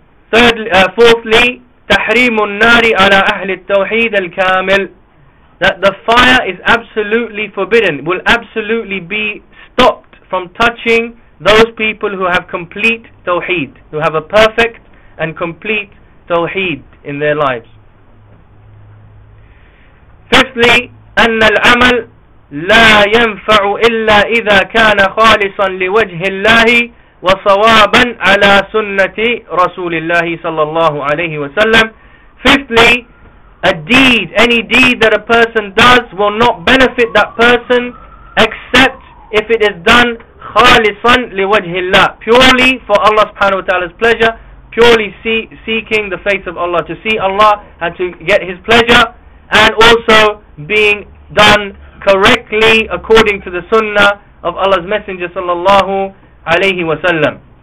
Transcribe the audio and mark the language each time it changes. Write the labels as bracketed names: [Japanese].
[English] Fourthly, [Arabic] تحريم النار على أهل التوحيد الكامل, [English] that the fire is absolutely forbidden, will absolutely be stopped from touching those people who have complete tawheed, who have a perfect and complete tawheed in their lives. Firstly, [Arabic] أن العمل لا ينفع إلا إذا كان خالصا لوجه الله وصوابا على سنة رسول الله صلى الله عليه وسلم. [English] Fifthly, a deed, any deed that a person does will not benefit that person except if it is done [Arabic] خالصا لوجه الله, [English] purely for Allah subhanahu wa ta'ala's pleasure, purely seeking the face of Allah, to see Allah and to get His pleasure, and also being done correctly according to the sunnah of Allah's Messenger sallallahu alayhi wa sallam.